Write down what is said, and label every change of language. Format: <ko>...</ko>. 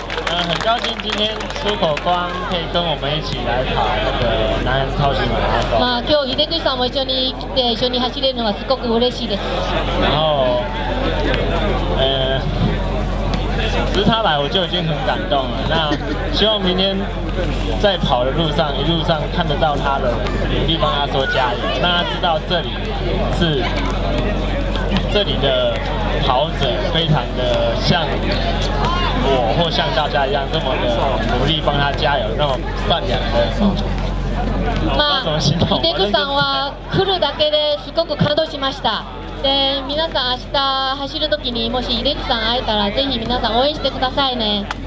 <zh>很高兴今天出口光可以跟我们一起来跑那个南韩超级马拉松。</zh> <ja>まあ今日秀口さんも一緒に来て一緒に走れるのはすごく嬉しいです。</ja> <zh>然后，只是他来我就已经很感动了。那希望明天在跑的路上，一路上看得到他的，努力帮他说加油，让他知道这里是这里的跑者非常的像我或像大家一样这么的努力帮他加油，那么善良的。</zh> <ja>まあ、秀久さんは来るだけですごく感動しました。で、皆さん明日走るときにもし秀久さん会えたらぜひ皆さん応援してくださいね。</ja>